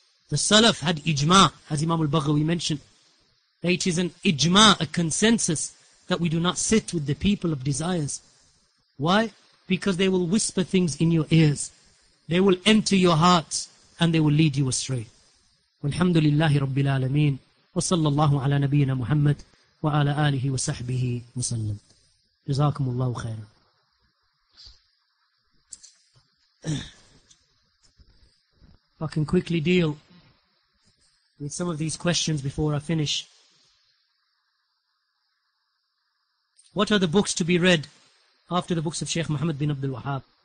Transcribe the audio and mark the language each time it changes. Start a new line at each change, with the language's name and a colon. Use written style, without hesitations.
English: The Salaf had ijma, as Imam al-Baghawi mentioned, that it is an ijma, a consensus, that we do not sit with the people of desires. Why? Because they will whisper things in your ears. They will enter your hearts and they will lead you astray.
Arabic: والحمد لله رب العالمين وصلى الله على نبينا محمد وعلى آله وصحبه وسلم جزاكم الله خيرا.
English: If I can quickly deal with some of these questions before I finish. What are the books to be read after the books of Sheikh Muhammad bin Abdul Wahhab?